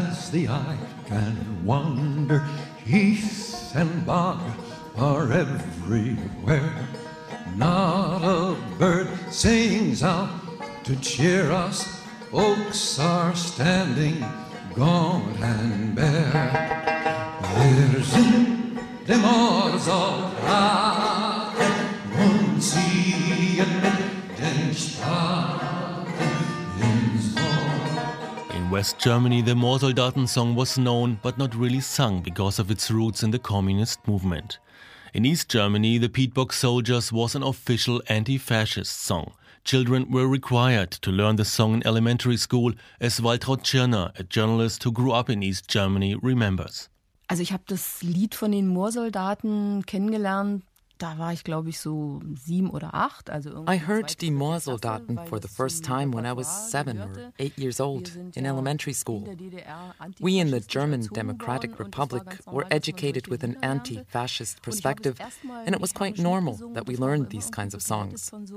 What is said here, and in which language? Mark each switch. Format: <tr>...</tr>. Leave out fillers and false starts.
<en>The eye can wander, heath and bog are everywhere. Not a bird sings out to cheer us. Oaks are standing gaunt and bare.</en> <de>Wir sind dem Soldaten und ziehen mit den Spaten ins Moor.</de> <en>West Germany, the Moorsoldaten song was known but not really sung because of its roots in the communist movement. In East Germany, the Peatbox Soldiers was an official anti-fascist song. Children were required to learn the song in elementary school, as Waltraud Tschirner, a journalist who grew up in East Germany, remembers.</en> <de>Also ich habe das Lied von den Moorsoldaten kennengelernt. Da war ich, glaube ich, so 7 oder 8. Also</de> <en>I heard the Moorsoldaten for the first time when I was 7 or 8 years old in elementary school. We in the German Democratic Republic were educated with an anti-fascist perspective, and it was quite normal that we learned these kinds of songs.</en>